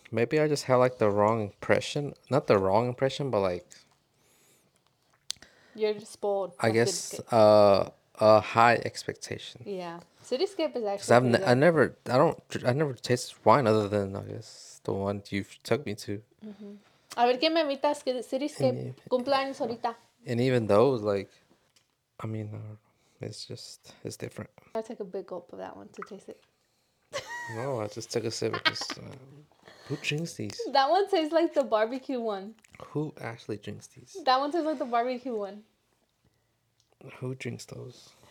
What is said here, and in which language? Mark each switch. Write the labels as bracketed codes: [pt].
[en] Maybe I just have, like, the wrong impression. Not the wrong impression, but, like... You're just spoiled. I guess a high expectation. Yeah. Cityscape is actually... Because I never tasted wine other than, I guess, the one you've took me to. Mm-hmm. [es] A ver que me invitas que Cityscape cumpleaños ahorita. [en] And even those, like... I mean... It's just, it's different. I took a big gulp of that one to taste it. No, I just took a sip. Who drinks these? That one tastes like the barbecue one. Who actually drinks these? That one tastes like the barbecue one. Who drinks those?